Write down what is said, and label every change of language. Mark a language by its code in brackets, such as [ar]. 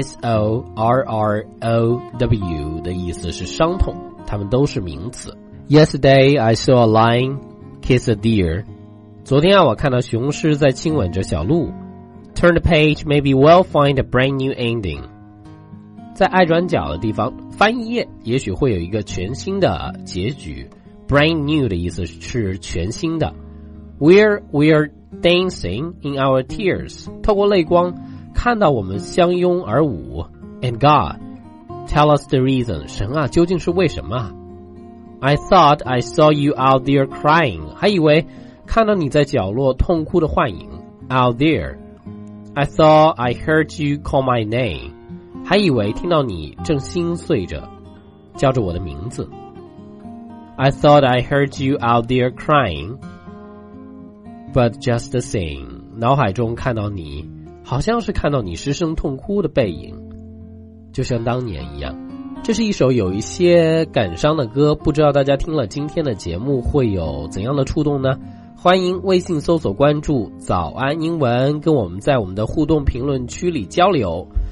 [zh] S-O-R-R-O-W 的意思是伤痛，它们都是名词。 [en] Yesterday I saw a lion kiss a deer， [zh] 昨天啊，我看到雄狮在亲吻着小鹿。 [en] Turn the page, maybe we'll find a brand new ending， [zh] 在爱转角的地方翻一页，也许会有一个全新的结局。 Brand new 的意思是全新的。 [en] Where we're dancing in our tears， [zh] 透过泪光看到我们相拥而舞。 [en] And God Tell us the reason. [zh] 神啊，究竟是为什么？ [en] I thought I saw you out there crying. [zh] 还以为看到你在角落痛哭的幻影。 [en] Out there. I thought I heard you call my name. [zh] 还以为听到你正心碎着叫着我的名字。 [en] I thought I heard you out there crying. But just the same. [zh] 脑海中看到你好像是看到你失声痛哭的背影。就像当年一样，这是一首有一些感伤的歌，不知道大家听了今天的节目会有怎样的触动呢？欢迎微信搜索关注早安英文，跟我们在我们的互动评论区里交流。